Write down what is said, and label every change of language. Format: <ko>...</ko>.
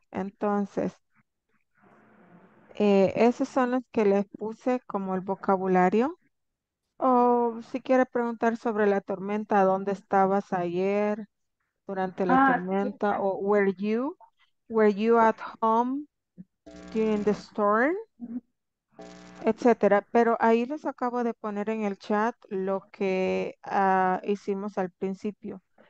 <es>Entonces, esos son los que les puse como el vocabulario. O si quiere preguntar sobre la tormenta, ¿dónde estabas ayer durante la tormenta? Sí.</es> <en>O were you at home during the storm, etcétera.</en> <es>Pero ahí les acabo de poner en el chat lo que hicimos al principio.</es>